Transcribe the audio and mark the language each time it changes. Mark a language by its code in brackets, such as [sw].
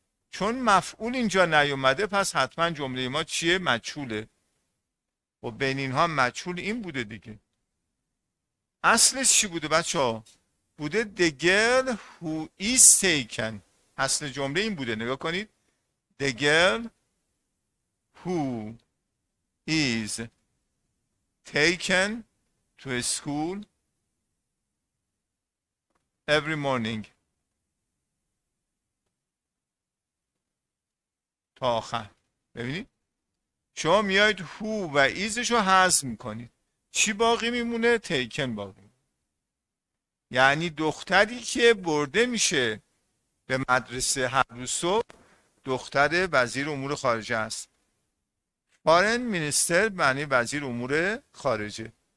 [fa] چون مفعول اینجا نیومده پس حتما جمله ما چیه؟ مجهوله. و بین اینها مجهول این بوده دیگه. اصلش چی بوده بچه ها؟ بوده [en] the girl who is taken. [fa] اصل جمله این بوده، نگاه کنید، [en] the girl who is taken to school every morning. [fa] تا آخر ببینید شما میاید هو و ایزش رو حذف میکنید چی باقی میمونه؟ تیکن باقی یعنی دختری که برده میشه به مدرسه هر روز صبح دختر وزیر امور خارجه است فارن مینستر معنی وزیر امور خارجه